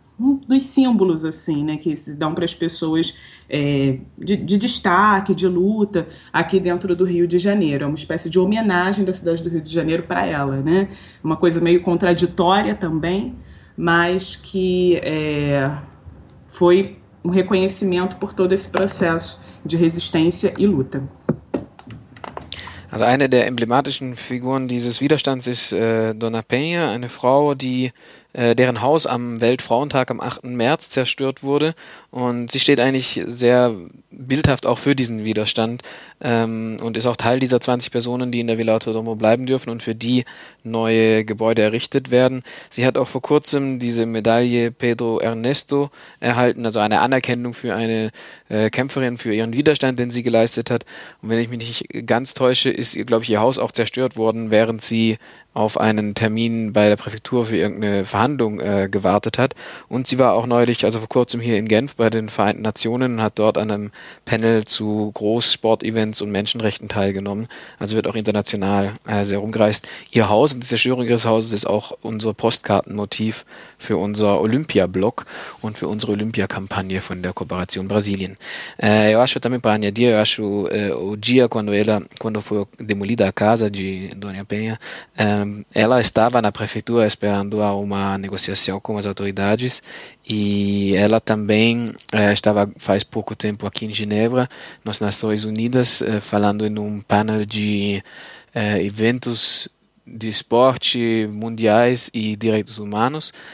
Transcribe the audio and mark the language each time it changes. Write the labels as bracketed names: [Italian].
[Portuguese] dos símbolos assim, né, que se dão para as pessoas de destaque, de luta, aqui dentro do Rio de Janeiro. É uma espécie de homenagem da cidade do Rio de Janeiro para ela, né? Uma coisa meio contraditória também, mas que foi um reconhecimento por todo esse processo de resistência e luta. [German] Also eine der emblematischen Figuren dieses Widerstands ist Dona Penha, eine Frau, die, deren Haus am Weltfrauentag am 8. März zerstört wurde. Und sie steht eigentlich sehr bildhaft auch für diesen Widerstand und ist auch Teil dieser 20 Personen, die in der Villa Otodomo bleiben dürfen und für die neue Gebäude errichtet werden. Sie hat auch vor kurzem diese Medaille Pedro Ernesto erhalten, also eine Anerkennung für eine Kämpferin, für ihren Widerstand, den sie geleistet hat. Und wenn ich mich nicht ganz täusche, ist, glaube ich, ihr Haus auch zerstört worden, während sie auf einen Termin bei der Präfektur für irgendeine Verhandlung gewartet hat. Und sie war auch neulich, also vor kurzem hier in Genf bei den Vereinten Nationen und hat dort an einem Panel zu Großsportevents und Menschenrechten teilgenommen. Also wird auch international sehr rumgereist. Ihr Haus und die Zerstörung ihres Hauses ist auch unser Postkartenmotiv für unser Olympia-Blog und für unsere Olympia-Kampagne von der Kooperation Brasilien. [Portuguese] Eu acho também para añadir, eu acho o dia quando ela, quando foi demolida a casa de Dona Penha, ela estava na prefeitura esperando uma negociação com as autoridades e ela também estava faz pouco tempo aqui em Genebra, nas Nações Unidas, falando em um panel de eventos de esporte mundiais e direitos humanos.